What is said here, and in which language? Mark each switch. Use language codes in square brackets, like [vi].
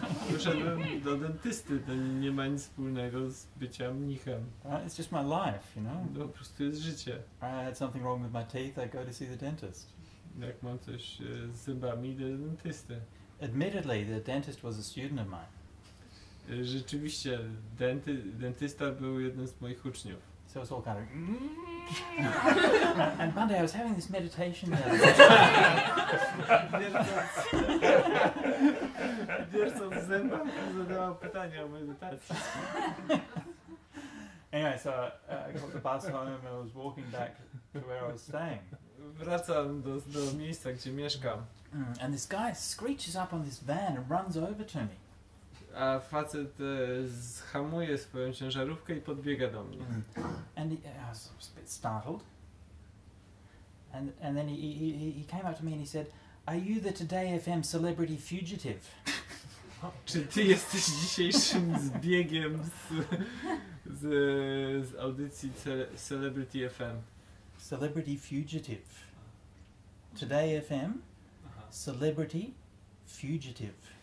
[pl] Wyszedłem do dentysty, to nie ma nic wspólnego z byciem mnichem. [en] Right, it's just my life, you know? [pl] No, po prostu jest życie. [en] Right, I had something wrong with my teeth, I go to see the dentist. [pl] Jak mam coś z zębami, idę do dentysty. [en] Admittedly, the dentist was a student of mine. [pl] Rzeczywiście, dentysta był jednym z moich uczniów. [en] So it's all kind of... And one day I was having this meditation there. [pl] Wiesz co, w zębach zadawał pytanie o medytacji. [en] Anyway, so I got the bus home and I was walking back to where I was staying. [pl] Wracam do miejsca, gdzie mieszkam. [en] And this guy screeches up on this van and runs over to me. [pl] A facet zhamuje swoją ciężarówkę i podbiega do mnie. [en] And I was a bit startled. And then he came up to me and he said, "Are you the Today FM celebrity fugitive?" [pl] Czy ty jesteś dzisiejszym zbiegiem z audycji Celebrity FM? [en] Celebrity fugitive. Today FM, celebrity fugitive.